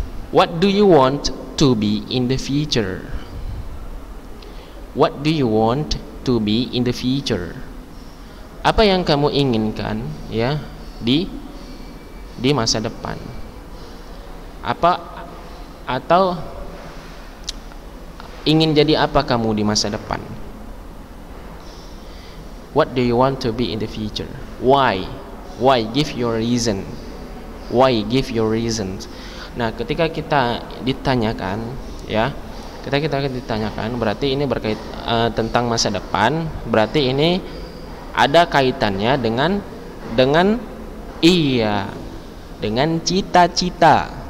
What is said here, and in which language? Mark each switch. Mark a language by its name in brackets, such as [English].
[English] What do you want to be in the future? What do you want to be in the future? [Indonesian] Apa yang kamu inginkan ya di masa depan? Apa atau ingin jadi apa kamu di masa depan? [English] What do you want to be in the future? Why? Why? Give your reason. Why? Give your reasons. [Indonesian] Nah, ketika kita ditanyakan, ya, ketika kita ditanyakan, berarti ini berkait tentang masa depan. Berarti ini ada kaitannya dengan cita-cita.